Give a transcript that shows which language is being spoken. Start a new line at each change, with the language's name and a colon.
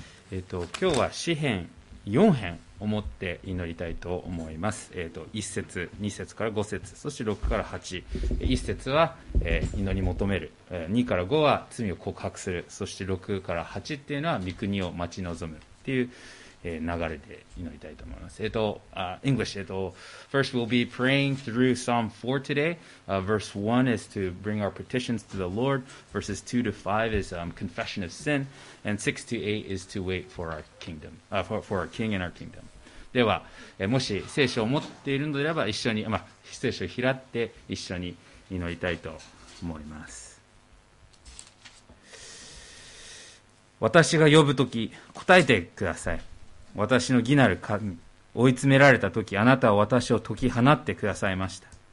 Japanese: 今日は詩編4編を持って祈りたいと思います。 1節2節から5節、そして6から8、1節は、祈り求める、2から5は罪を告白する、そして6から8っていうのは御国を待ち望むっていう、流れで祈りたいと思います。
English: English、First we'll be praying through Psalm 4 today. Verse 1 is to bring our petitions to the Lord. Verses 2 to 5 is confession of sin. And 6 to 8 is to wait for our kingdom, for our king and our kingdom.
Japanese: では、もし聖書を持っているのであれば一緒に、聖書を開って一緒に祈りたいと思います。私が呼ぶとき答えてください。私の義なる神、追い詰められた時あなたは私を解き放ってくださいました。